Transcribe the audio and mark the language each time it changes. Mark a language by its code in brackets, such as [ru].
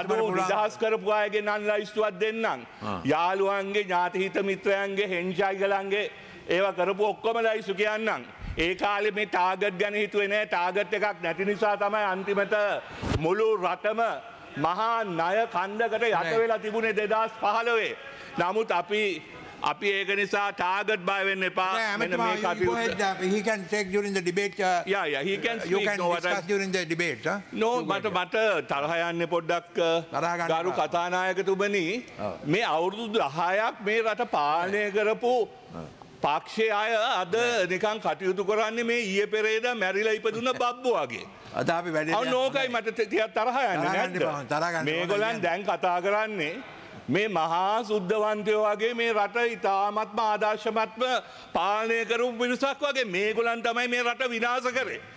[si] බදු නිදහස් කරපු අයගේ නම් ලයිස්තුවක් දෙන්නම් යාළුවන්ගේ ඥාති හිත මිත්‍රයන්ගේ හෙන්ජයිගලන්ගේ ඒවා කරපු ඔක්කොම ලයිස්තු කියන්නම් ඒ කාලේ මේ ටාගට් ගැන හිතුවේ නැහැ ටාගට් එකක් නැති නිසා තමයි අන්තිමට මුළු රටම මහා ණය කන්දකට යට වෙලා තිබුණේ 2015 නමුත් අපි ඒක නිසා ටාගට් බය වෙන්න එපා මෙන්න මේ කටයුතු [en] he can take during the debate yeah he can you can discuss during the debate no but [si] තරහ යන්නේ පොඩ්ඩක් ගරු කතානායකතුමනි මේ අවුරුදු 10ක් මේ රට පාලනය කරපු පක්ෂයේ අය අද නිකන් කටයුතු කරන්නේ මේ ඊයේ පෙරේද මැරිලා ඉපදුන බබ්බෝ වගේ අද අපි වැඩේ ඔව් නෝකයි මට තරහ යන්නේ නැද්ද මේගොල්ලන් දැන් කතා කරන්නේ මේ මහා සුද්ධවන්තයෝ වගේ මේ රට ඉතාමත්ම ආදර්ශමත්ම පාලනය කරපු මිනිසක් වගේ මේගොල්ලන් තමයි මේ රට විනාශ කරේ.